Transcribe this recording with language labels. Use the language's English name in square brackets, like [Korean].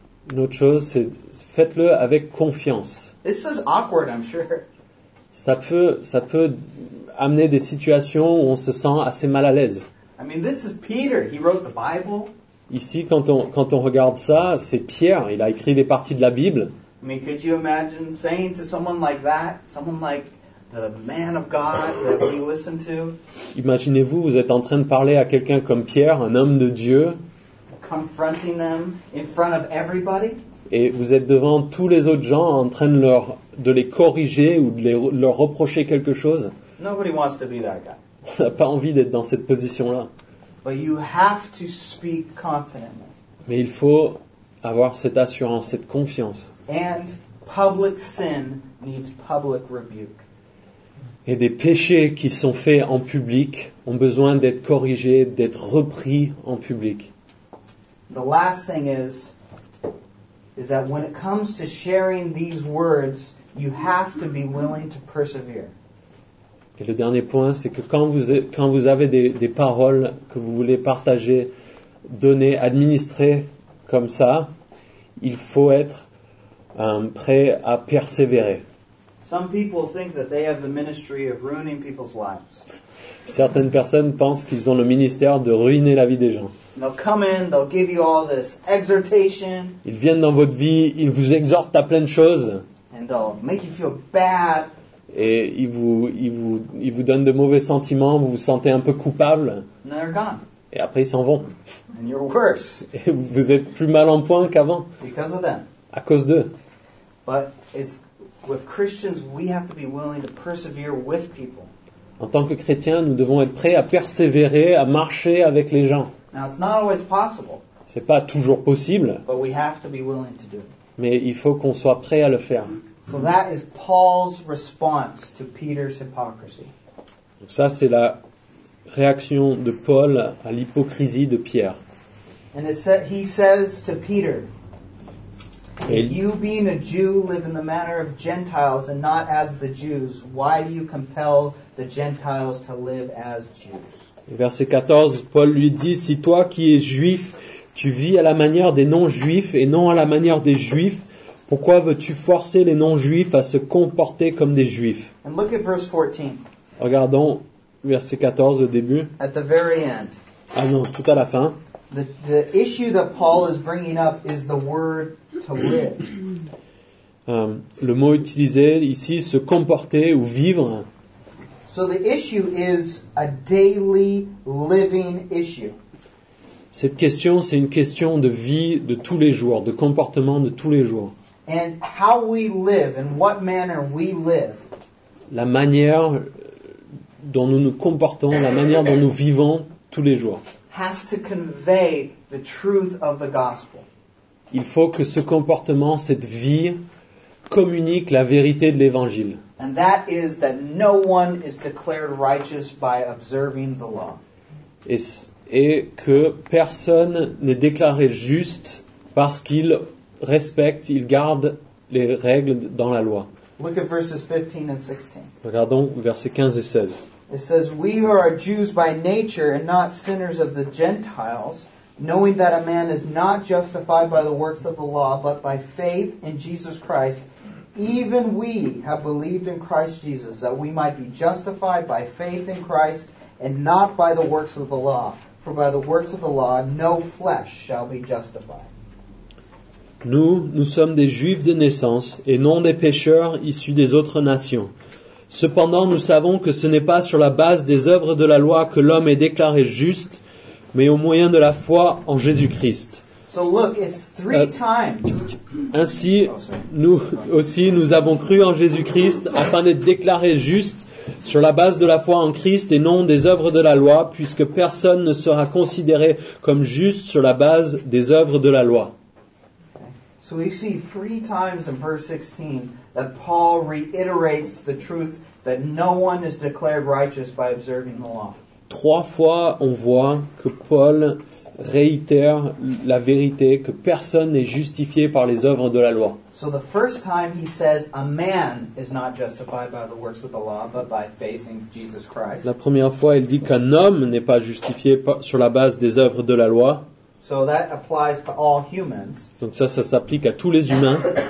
[French] Une autre chose, c'est faites-le avec confiance. [English] This is awkward, I'm sure. [French] Ça peut amener des situations où on se sent assez mal à l'aise. [English] I mean, this is Peter. He wrote the Bible. [French] Ici, quand on regarde ça, c'est Pierre. Il a écrit des parties de la Bible. [English] I mean, could you imagine saying to someone like that, someone like the man of God that we listen to? [French] Imaginez-vous, vous êtes en train de parler à quelqu'un comme Pierre, un homme de Dieu. [English] Confronting them in front of everybody. [French] Et vous êtes devant tous les autres gens en train de les corriger ou de leur reprocher quelque chose. [English] Nobody wants to be that guy. [French] On n'a pas envie d'être dans cette position-là. [English] But you have to speak confidently. [French] Mais il faut avoir cette assurance, cette confiance. [English] And public sin needs public rebuke. [French] Et des péchés qui sont faits en public ont besoin d'être corrigés, d'être repris en public. [English] The last thing is that when it comes to sharing these words, you have to be willing to persevere. [French] Et le dernier point, c'est que quand vous avez des paroles que vous voulez partager, donner, administrer comme ça, il faut être prêt à persévérer. [English] Some people think that they have the ministry of ruining people's lives. [French] Certaines personnes pensent qu'ils ont le ministère de ruiner la vie des gens. [English] They'll come in, they'll give you all this exhortation. [French] Ils viennent dans votre vie, ils vous exhortent à plein de choses. [English] And they'll make you feel bad. [French] Et ils vous donnent de mauvais sentiments, vous vous sentez un peu coupable. [English] And they're gone. [French] Et après ils s'en vont. [English] And you're worse. [French] Et vous êtes plus mal en point qu'avant. [English] Because of them. [French] À cause d'eux. [English] But it's, with Christians, we have to be willing to persevere with people. [French] En tant que chrétiens, nous devons être prêts à persévérer, à marcher avec les gens. [English] Now, it's not always possible. [French] C'est pas toujours possible. [English] But we have to be willing to do it. [French] Mais il faut qu'on soit prêt à le faire. [English] So that is Paul's response to Peter's hypocrisy. [French] Donc ça, c'est la réaction de Paul à l'hypocrisie de Pierre. [English] And he says to Peter, if you being a Jew live in the manner of Gentiles and not as the Jews, why do you compel the Gentiles to live as Jews? [French] Verset 14, Paul lui dit, si toi qui es juif, tu vis à la manière des non-juifs et non à la manière des juifs, pourquoi veux-tu forcer les non-juifs à se comporter comme des juifs? [English] And look at verse 14. [French] Regardons verset 14 au début. [English] At the very end. [French] Ah non, tout à la fin. [English] The issue that Paul is bringing up is the word to live. [French] Le mot utilisé ici, se comporter ou vivre. [English] So the issue is a daily living issue. [French] Cette question, c'est une question de vie de tous les jours, de comportement de tous les jours. [English] And how we live, in what manner we live. [French] La manière dont nous nous comportons, la manière dont nous vivons tous les jours. [English] Has to convey the truth of the gospel. [French] Il faut que ce comportement, cette vie, communique la vérité de l'évangile. [English] And that is that no one is declared righteous by observing the law. [French] Et que personne n'est déclaré juste parce qu'il respecte, il garde les règles dans la loi. [English] Look at verses 15 and 16. [French] Regardons versets 15 et 16. [English] It says, we who are Jews by nature and not sinners of the Gentiles, knowing that a man is not justified by the works of the law, but by faith in Jesus Christ, even we have believed in Christ Jesus, that we might be justified by faith in Christ and not by the works of the law. For by the works of the law, no flesh shall be justified. [French] Nous, nous sommes des Juifs de naissance et non des pécheurs issus des autres nations. Cependant, nous savons que ce n'est pas sur la base des œuvres de la loi que l'homme est déclaré juste, mais au moyen de la foi en Jésus-Christ. [English] So look, it's three times. [French] Ainsi, nous aussi, nous avons cru en Jésus-Christ afin d'être déclarés justes sur la base de la foi en Christ et non des œuvres de la loi, puisque personne ne sera considéré comme juste sur la base des œuvres de la loi. [English] So we see three times in verse 16 that Paul reiterates the truth that no one is declared righteous by observing the law. [French] Trois fois, on voit que Paul réitère la vérité que personne n'est justifié par les œuvres de la loi. [English] So the first time he says a man is not justified by the works of the law, but by faith in Jesus Christ. [French] La première fois, il dit qu'un homme n'est pas justifié sur la base des œuvres de la loi. [English] So that applies to all humans. [French] Donc ça, ça s'applique à tous les humains.